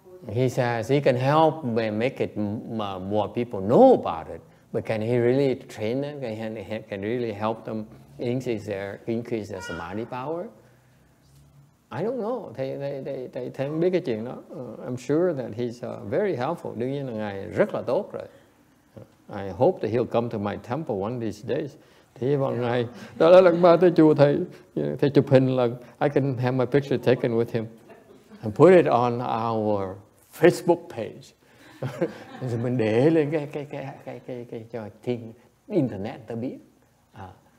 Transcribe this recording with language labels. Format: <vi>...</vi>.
<en>He says he can help and make it more people know about it, but can he really train them? Can really help them increase their samadhi power? I don't know. They</en> <vi>không biết cái chuyện đó.</vi> <en>I'm sure that he's very helpful.</en> <vi>Đương nhiên là ngài rất là tốt rồi.</vi> <en>I hope that he'll come to my temple one of these days.</en> <vi>Thì vào ngày đó là lần ba tới chùa thầy chụp hình là</vi> <en>I can have my picture taken with him and put it on our Facebook page.</en> <vi>Rồi mình để lên cái cho thiên internet ta biết. À.</vi>